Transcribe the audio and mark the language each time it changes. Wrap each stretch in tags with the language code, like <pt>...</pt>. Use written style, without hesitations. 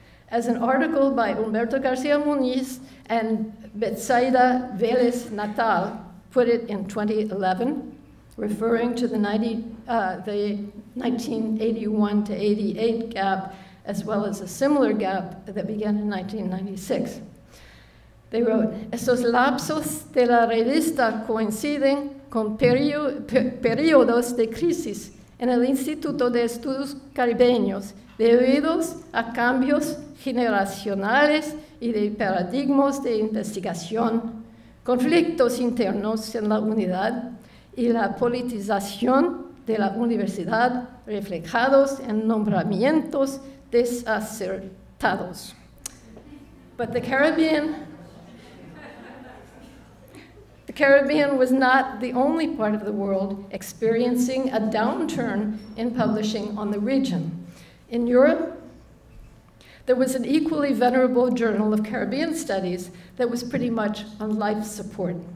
<en>As an article by Humberto Garcia Muniz and Betsaida Vélez Natal put it in 2011, referring to the 1981 to 88 gap, as well as a similar gap that began in 1996.</en> <es>They wrote, esos lapsos de la revista coinciden con periodos de crisis en el Instituto de Estudios Caribeños debido a cambios generacionales y de paradigmas de investigación, conflictos internos en la unidad y la politización de la universidad reflejados en nombramientos desacertados.</es> <en>But the Caribbean Caribbean was not the only part of the world experiencing a downturn in publishing on the region. In Europe, there was an equally venerable Journal of Caribbean Studies that was pretty much on life support.</en>